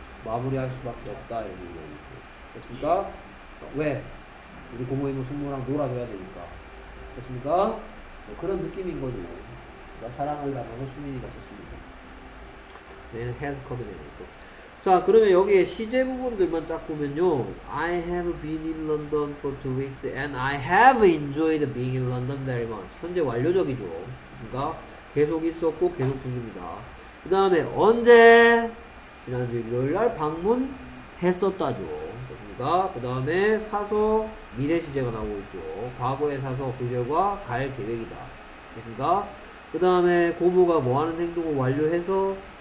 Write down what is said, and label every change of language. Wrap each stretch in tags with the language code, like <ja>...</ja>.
<ko>마무리할 수밖에 없다. 이렇게 됐습니까? 왜? 우리 고모이고 숙모랑 놀아줘야 되니까. 됐습니까? 뭐 그런 느낌인 거죠. 나 사랑을 나누는 수민이가 썼습니다. 얘는 has come 이라는 거죠. 자, 그러면 여기에 시제 부분들만 쫙 보면요.</ko> <en>I have been in London for 2 weeks and I have enjoyed being in London very much.</en> <ko>현재 완료적이죠. 그러니까 계속 있었고 계속 즐깁니다. 그 다음에 언제? 지난주 일요일날 방문했었다죠. 그렇습니까? 그 다음에 사서 미래 시제가 나오고 있죠. 과거에 사서 그 결과 갈 계획이다. 그렇습니까? 그 다음에 고모가 뭐 하는 행동을 완료해서</ko>